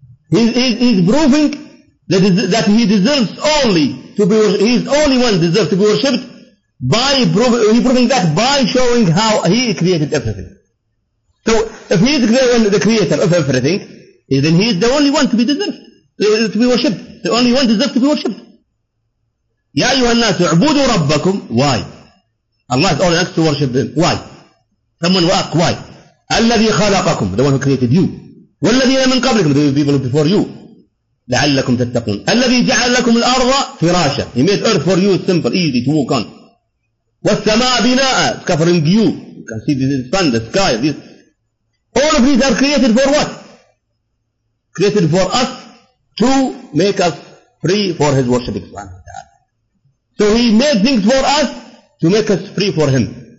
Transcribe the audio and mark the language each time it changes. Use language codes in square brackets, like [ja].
[en] He's proving that he deserves only to be, he is only one deserves to be worshipped by proving that by showing how he created everything. So if he is the creator of everything, then he is the only one to be deserved to be worshipped. The only one deserves to be worshipped. [ar] يا أيها الناس اعبدوا ربكم. [en] Why? Allah is only asked to worship them. Why? Someone ask why? [ar] الذي خلقكم, [en] the one who created you. [ar] والذين من قبلكم, [en] the people before you. [ar] لعلكم تتقون. الذي جعل لكم الأرض فراشا. [en] He made earth for you simple, easy to walk on. [ar] والسماء بناء, [en] covering you. You can see this sun, the sky. This. All of these are created for what? Created for us to make us free for His worship. So He made things for us to make us free for Him.